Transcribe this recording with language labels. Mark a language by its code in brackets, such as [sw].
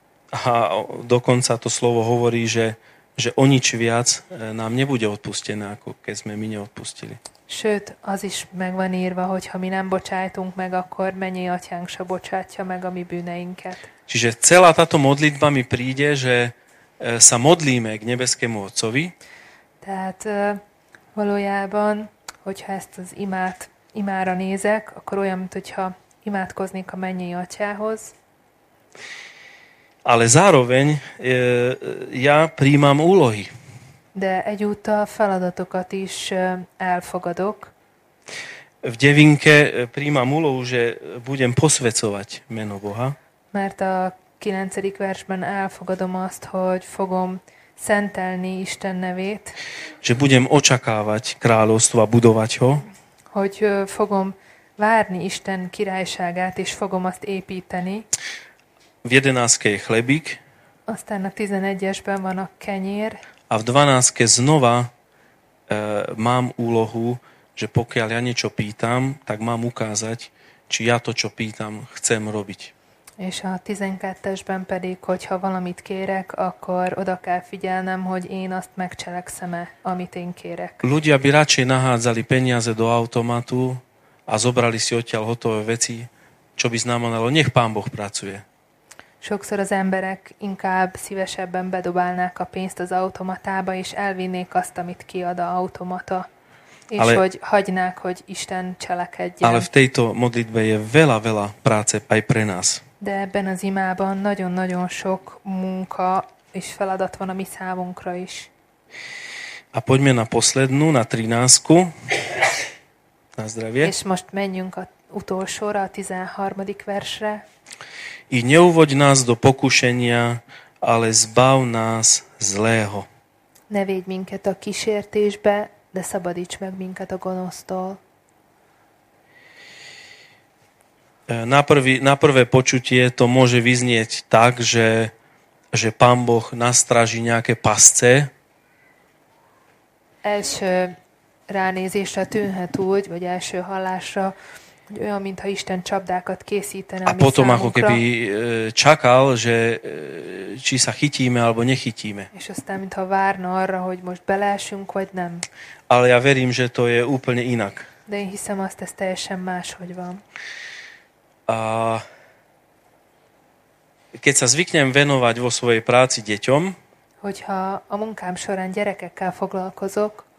[sk] A dokonca to slovo hovorí, že o nič viac nám nebude odpustené, ako keď sme my neodpustili. [hu] Sőt, az is megvan írva, hogy ha mi nem bocsájtunk meg, akkor mennyi atyánk se bocsátja meg a mi bűneinket. [sk] Čiže celá táto modlitba mi príde, že sa modlíme k nebeskému Otcovi. [hu] Tehát valójában, hogyha ezt az imára nézek, akkor olyan, mint hogyha imádkoznék a mennyei atyához. [sk] Ale zároveň ja príjmam úlohy. [hu] De egyúttal feladatokat is elfogadok. [sk] V devinke príjmam úlohu, že budem posvecovať meno Boha. [hu] Mert a 9. versben elfogadom azt, hogy fogom szentelni Isten nevét. [sk] Že budem očakávať kráľovstvo a budovať ho. [hu] Hogy fogom várni Isten királyságát, és fogom azt építeni. [sk] V 11. je chlebík. [hu] Aztán a 11-esben van a kenyér. [sk] A v 12. znova mám úlohu, že pokiaľ ja niečo pýtam, tak mám ukázať, či ja to, čo pýtam, chcem robiť. [hu] És a 12-esben pedig, hogyha valamit kérek, akkor oda kell figyelnem, hogy én azt megcselekszem-e, amit én kérek. [sk] Ľudia by radšej nahádzali peniaze do automatu a zobrali si odtiaľ hotové veci, čo by znamenalo, nech Pán Boh pracuje. [hu] Sokszor az emberek inkább szívesebben bedobálnák a pénzt az automatába, és elvinnék azt, amit kiad a automata. És ale, hogy hagynák, hogy Isten cselekedjen. [sk] Ale v tejto modlitbe je veľa, veľa práce aj pre nás. [hu] De ebben az imában nagyon-nagyon sok munka és feladat van a mi számunkra is. [sk] A poďme na poslednú, na 13. Na zdravie. [hu] És most menjünk a utolsóra, a 13. versre. [sk] I neuvoď nás do pokušenia, ale zbav nás zlého. [hu] Ne véd minket a kísértésbe, de szabadíts meg minket a gonosztól. [sk] Na prvé počutie to môže vyznieť tak, že Pán Boh nastraží nejaké pasce. [hu] Első ránézésre tűnhet úgy, vagy első hallásra, hogy olyan, mintha Isten csapdákat készítene. [sk] A potom ako keby čakal, že či sa chytíme, alebo nechytíme. [hu] És aztán, mintha várna arra, hogy most beleesünk, vagy nem. [sk] Ale ja verím, že to je úplne inak. [hu] De én hiszem azt, ez teljesen máshogy van. [sk] A keď sa zvyknem venovať vo svojej práci deťom, [hu] hogyha a munkám során gyerekekkel foglalkozok,